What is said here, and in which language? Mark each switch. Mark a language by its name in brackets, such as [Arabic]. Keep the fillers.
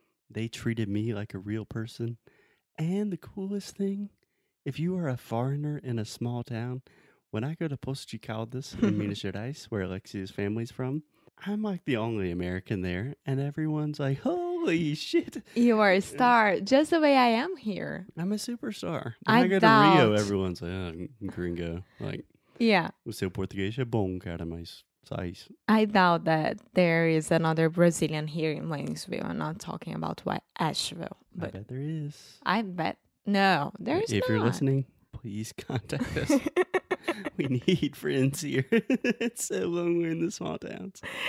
[English] They treated me like a real person. And the coolest thing, if you are a foreigner in a small town, when I go to Postage Caldas in Minas Gerais, where Alexia's family's from, I'm like the only American there, and everyone's like, "Holy shit, you are a star!" Just the way I am here. I'm a superstar. I When I, I go to Rio, everyone's like, oh, "Gringo," like, "Yeah." [Portuguese] O seu português é bom, cara, mas size. [English] I doubt that there is another Brazilian here in Lanesville. I'm not talking about Asheville, but there is. I bet no, there is. If you're listening, please contact us. we need friends here. it's so lonely in the small towns.